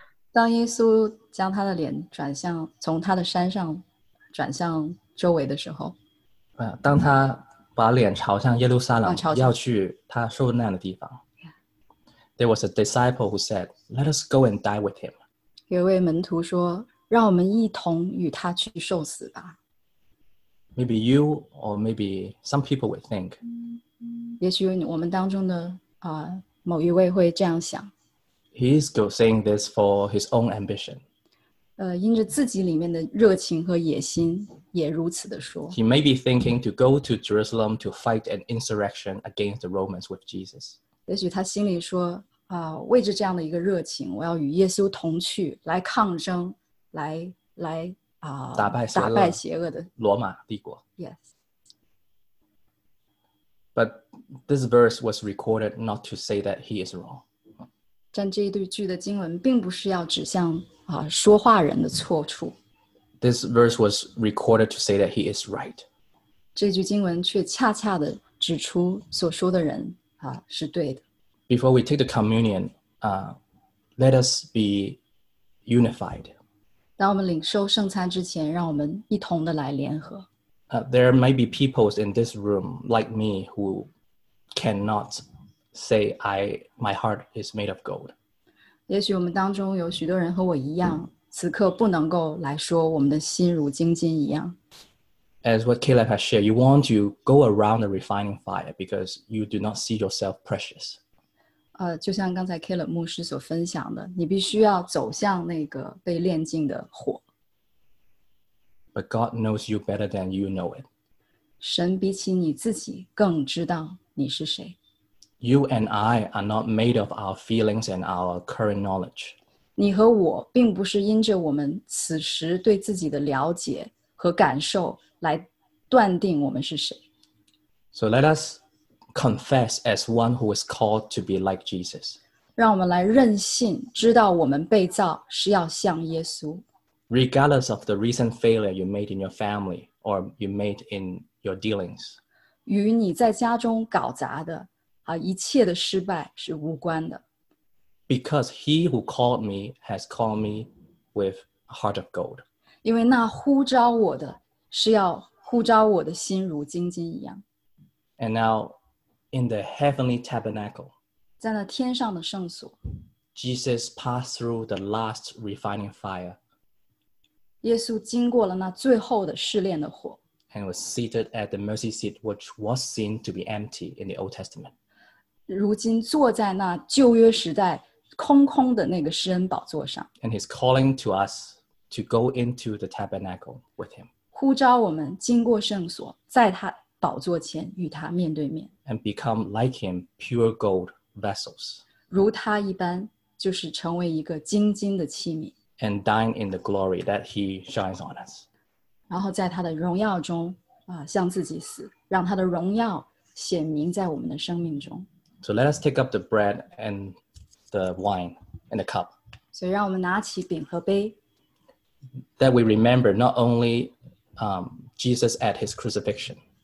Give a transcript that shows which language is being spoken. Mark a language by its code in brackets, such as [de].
[zh] 当耶稣将他的脸转向从他的山上转向周围的时候。当他把脸朝向耶路撒冷要去他受难的地方。 [en] There was a disciple who said, "Let us go and die with him." [zh] 有位门徒说，让我们一同与他去受死吧。 [en] Maybe you or maybe some people would think. [zh] 也许我们当中的某一位会这样想。 [en] He is saying this for his own ambition. [zh] 因着自己里面的热情和野心，也如此的说。 [en] He may be thinking to go to Jerusalem to fight an insurrection against the Romans with Jesus. [zh] 也许他心里说，为着这样的一个热情，我要与耶稣同去，来抗争，打败邪恶的罗马帝国。 [en] Yes. But this verse was recorded not to say that he is wrong. [zh] 但这一对句的经文并不是要指向说话人的错处。 [en] This verse was recorded to say that he is right. [zh] 这句经文却恰恰的指出所说的人是对的。 [en] Before we take the communion, let us be unified. [zh] 当我们领受圣餐之前，让我们一同的来联合。 [en] There may be people in this room like me who cannot say my heart is made of gold. [zh] 也许我们当中有许多人和我一样，此刻不能够来说我们的心如金金一样。 [en] as what Caleb has shared, you want to go around the refining fire because you do not see yourself precious. [zh] 就像刚才 Caleb 牧师所分享的，你必须要走向那个被炼净的火。 [en] But God knows you better than you know it. [zh] 神比起你自己更知道你是谁。 [en] You and I are not made of our feelings and our current knowledge. [zh] 你和我并不是因着我们此时对自己的了解和感受来断定我们是谁。 [en] So let us confess as one who is called to be like Jesus. [zh] 让我们来认信，知道我们被造是要像耶稣。 [en] Regardless of the recent failure you made in your family or you made in your dealings. [zh] 与你在家中搞砸的一切的失败是无关的。 [en] Because he who called me has called me with a heart of gold. [zh] 因为那呼召我的是要呼召我的心如金金一样。 [en] And now, in the heavenly tabernacle, [zh] 在那天上的圣所， [en] Jesus passed through the last refining fire. [zh] 耶稣经过了那最后的试炼的火。 [en] And was seated at the mercy seat, which was seen to be empty in the Old Testament. [zh] 如今坐在那旧约时代空空的那个施恩宝座上。 [en] And he's calling to us to go into the tabernacle with him. [zh] 呼召我们经过圣所，在他宝座前与他面对面。 [en] And become like him, pure gold vessels. [zh] 如他一般，就是成为一个金金的器皿。 [en] And dine in the glory that he shines on us. [zh] 然后在他的荣耀中向自己死，让他的荣耀显明在我们的生命中。 [en] So let us take up the bread and the wine and the cup. [zh] 所以让我们拿起饼和杯。 [en] That we remember not only Jesus at his crucifixion.